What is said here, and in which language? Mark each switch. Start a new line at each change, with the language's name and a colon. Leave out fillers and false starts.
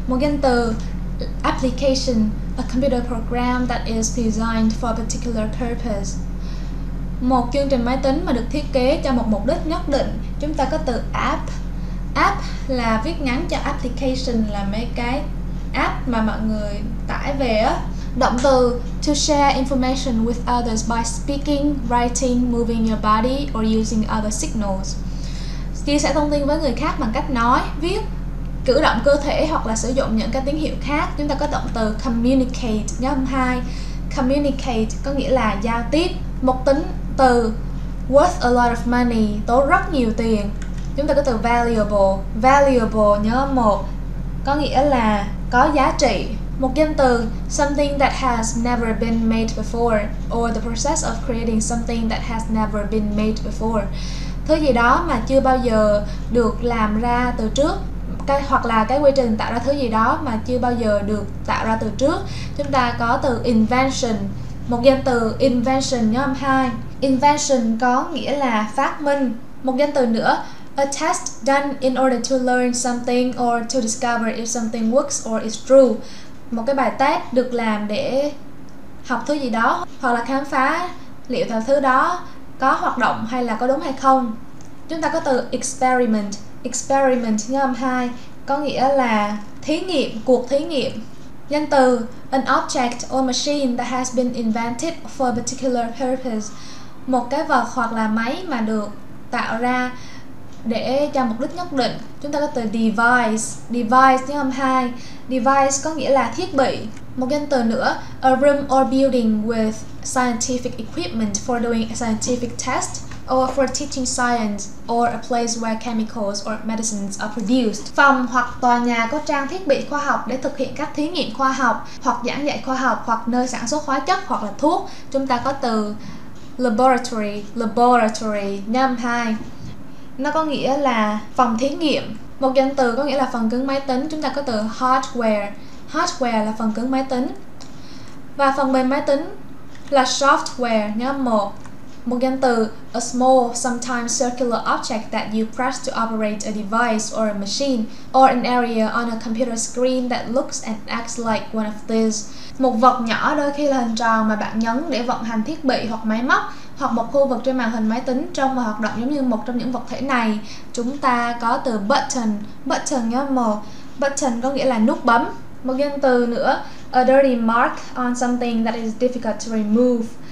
Vietnamese: Một danh từ
English: application, a computer program that is designed for a particular purpose.
Vietnamese: Một chương trình máy tính mà được thiết kế cho một mục đích nhất định. Chúng ta có từ app. App là viết ngắn cho application, là mấy cái app mà mọi người tải về á. Động từ
English: to share information with others by speaking, writing, moving your body or using other signals.
Vietnamese: Chia sẻ thông tin với người khác bằng cách nói, viết, cử động cơ thể hoặc là sử dụng những cái tín hiệu khác. Chúng ta có động từ communicate nhóm 2. Communicate có nghĩa là giao tiếp. Một tính từ
English: worth a lot of money,
Vietnamese: tốn rất nhiều tiền. Chúng ta có từ valuable. Valuable nhóm 1 có nghĩa là có giá trị. Một danh từ,
English: something that has never been made before, or the process of creating something that has never been made before.
Vietnamese: Thứ gì đó mà chưa bao giờ được làm ra từ trước, hoặc là cái quy trình tạo ra thứ gì đó mà chưa bao giờ được tạo ra từ trước. Chúng ta có từ invention, một danh từ invention nhớ âm 2. Invention có nghĩa là phát minh. Một danh từ nữa,
English: a test done in order to learn something or to discover if something works or is true.
Vietnamese: Một cái bài test được làm để học thứ gì đó hoặc là khám phá liệu thứ đó có hoạt động hay là có đúng hay không. Chúng ta có từ experiment. Experiment nhớ âm 2 có nghĩa là thí nghiệm, cuộc thí nghiệm. Danh từ
English: an object or machine that has been invented for a particular purpose.
Vietnamese: Một cái vật hoặc là máy mà được tạo ra để cho mục đích nhất định. Chúng ta có từ device. Device nhớ âm 2. Device có nghĩa là thiết bị. Một danh từ nữa,
English: a room or building with scientific equipment for doing a scientific test or for teaching science or a place where chemicals or medicines are produced.
Vietnamese: Phòng hoặc tòa nhà có trang thiết bị khoa học để thực hiện các thí nghiệm khoa học hoặc giảng dạy khoa học hoặc nơi sản xuất hóa chất hoặc là thuốc. Chúng ta có từ laboratory. Laboratory nhâm 2. Nó có nghĩa là phòng thí nghiệm. Một danh từ có nghĩa là phần cứng máy tính. Chúng ta có từ hardware. Hardware là phần cứng máy tính. Và phần mềm máy tính là software nhớ âm 1. Một danh từ,
English: a small, sometimes circular object that you press to operate a device or a machine, or an area on a computer screen that looks and acts like one of these.
Vietnamese: Một vật nhỏ đôi khi là hình tròn mà bạn nhấn để vận hành thiết bị hoặc máy móc, hoặc một khu vực trên màn hình máy tính trông và hoạt động giống như một trong những vật thể này. Chúng ta có từ button. Button nhớ một. Button có nghĩa là nút bấm. Một danh từ nữa,
English: a dirty mark on something that is difficult to remove.